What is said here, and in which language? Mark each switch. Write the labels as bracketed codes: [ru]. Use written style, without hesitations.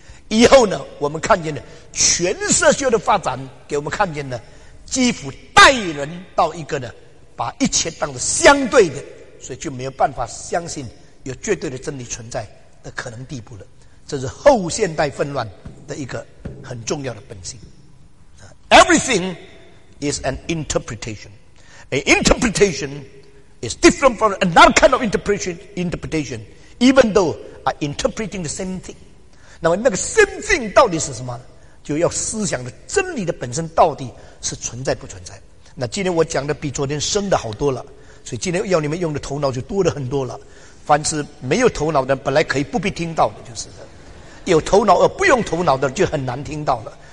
[zh] 以后呢，我们看见了全社会的发展，给我们看见了几乎带人到一个呢，把一切当作相对的，所以就没有办法相信有绝对的真理存在的可能地步了。这是后现代纷乱的一个很重要的本性。 [en] Everything is an interpretation. An interpretation is different from another kind of interpretation, even though are interpreting the same thing. [zh] 那么那个 [en] same thing [zh] 到底是什么，就要思想的真理的本身到底是存在不存在。那今天我讲的比昨天深的好多了，所以今天要你们用的头脑就多了很多了。凡是没有头脑的本来可以不必听到的，就是的，有头脑而不用头脑的就很难听到了。